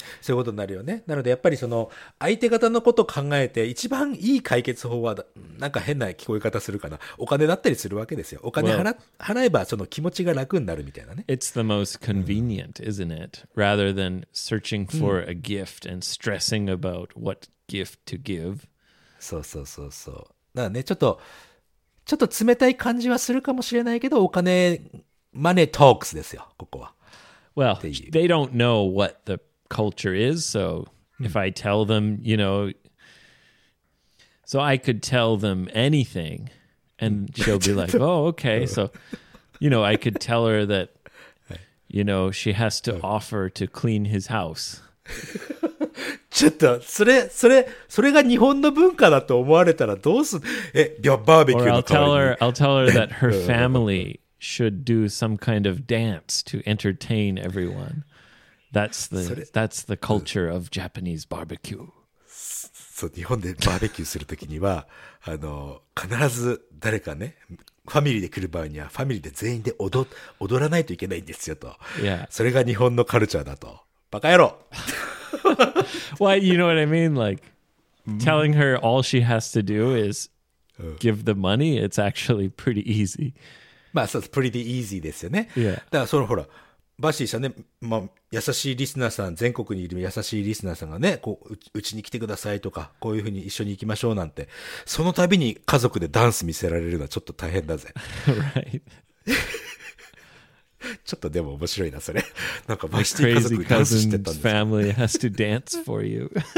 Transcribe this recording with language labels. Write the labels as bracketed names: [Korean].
[Japanese] そういうことになるよね。なのでやっぱりその、相手方のことを考えて、一番いい解決法は、なんか変な聞こえ方するかな。お金だったりするわけですよ。お金払えば、その気持ちが楽になるみたいなね。 [English] It's the most convenient, isn't it? Rather than searching for a gift and stressing about what gift to give. [Japanese] そうそうそうそう。だからね、ちょっと冷たい感じはするかもしれないけど、お金、マネートークスですよ、ここは。 [English] Well, they don't know what the culture is, so if I tell them, you know, so I could tell them anything, and she'll be like, oh, okay, so, you know, I could tell her that, you know, she has to offer to clean his house. [Japanese] ちょっとそれが日本の文化だと思われたらどうする？バーベキューの代わりに。 [English] Or I'll tell her that her family should do some kind of dance to entertain everyone. That's the culture of Japanese barbecue. [Japanese] そう、日本でバーベキューするときには必ず誰かね、ファミリーで来る場合にはファミリーで全員で踊らないといけないんですよと。 [English] Yeah. [Japanese] それが日本のカルチャーだと。バカ野郎。 [English] Well, you know what I mean? Like, telling her all she has to do is give the money, it's actually pretty easy. [Japanese] まあ、そう、 [English] pretty easy [Japanese] ですよね。 [English] Yeah. [Japanese] だから、ほら、バシーさんね、まあ、優しいリスナーさん、全国にいる優しいリスナーさんがね、こう、うちに来てくださいとか、こういうふうに一緒に行きましょうなんて、その度に家族でダンス見せられるのはちょっと大変だぜ。 [English] Right. [Japanese] ちょっとでも面白いなそれ。なんかバシティ家族ダンスしてたんです。 [English] Family has to dance for you.